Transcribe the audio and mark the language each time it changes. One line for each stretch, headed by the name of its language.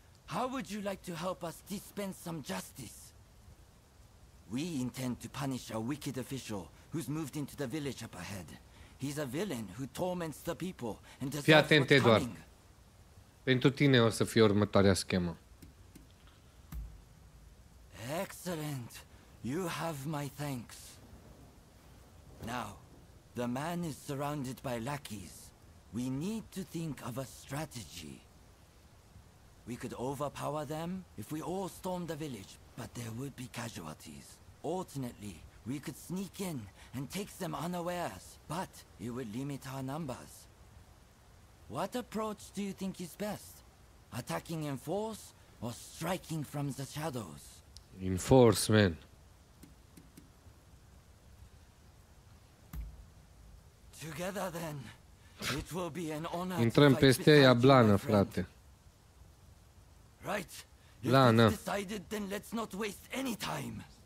English: How would you like to help us dispense some justice? We intend to punish a wicked official who's moved into the village up ahead. He's a villain who torments the people and deserves what's coming.
Romanian: Fii atent, Edward. Pentru tine o să fie următoarea schemă.
English: Excellent. You have my thanks. Now, the man is surrounded by lackeys. We need to think of a strategy. We could overpower them if we all stormed the village, but there would be casualties. Alternately, we could sneak in and take them unawares, but it would limit our numbers. What approach do you think is best? Attacking in force or striking from the shadows? In force, man. Together then. It will be an honor.
Romanian: Intrăm peste ea blană, frate.
English: Right. Blană. If it's decided, then let's not waste any time.